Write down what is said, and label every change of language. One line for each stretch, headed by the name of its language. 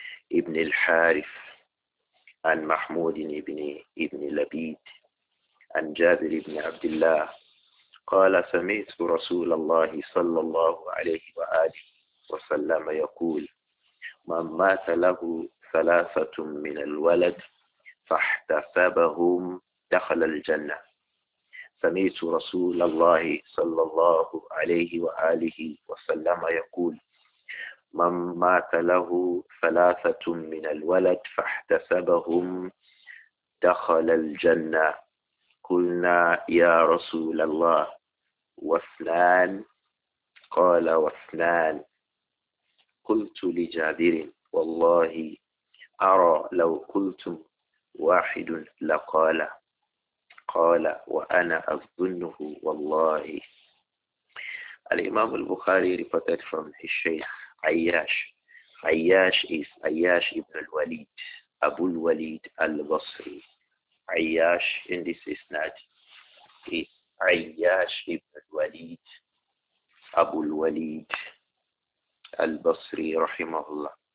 Arabic: ibn al-Harith, an Mahmud ibn Labid, an Jabir ibn Abdullah, قال سمعت رسول الله صلى الله عليه وآله وسلم يقول من مات له ثلاثة من الولد فاحتسبهم دخل الجنة. سمعت رسول الله صلى الله عليه وآله وسلم يقول من مات له ثلاثة من الولد فاحتسبهم دخل الجنة. قلنا يا رسول الله واثنان؟ قال واثنان. قلت لجابر والله أرى لو قلتم واحد لقال. قال وأنا أظنه والله.
English: الإمام البخاري reported from his Shaykh Ayyash. Ayyash is Ayyash ibn al-Walid, Abu al-Walid al-Basri. Ayyash in this isnad is Ayyash ibn al-Walid, Abu al-Walid al-Basri, rahimahullah.